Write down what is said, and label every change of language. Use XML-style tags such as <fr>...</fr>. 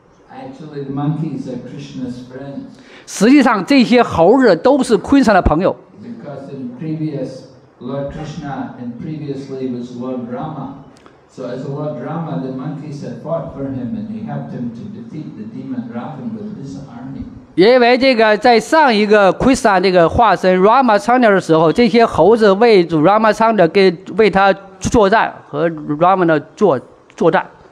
<en>Actually, the monkeys are Krishna's friends.</en> <zh>实际上，这些猴子都是 Krishna 的朋友。</zh> <en>Because in previous Lord Krishna and previously was Lord Rama, so as Lord Rama, the monkeys had fought for him and they helped him to defeat the demon Ravana with his army.</en> <zh>因为这个，在上一个 Krishna 这个化身 Rama 苍天的时候，这些猴子为主 Rama 苍天跟为他作战，和 Rama 的作战。</zh>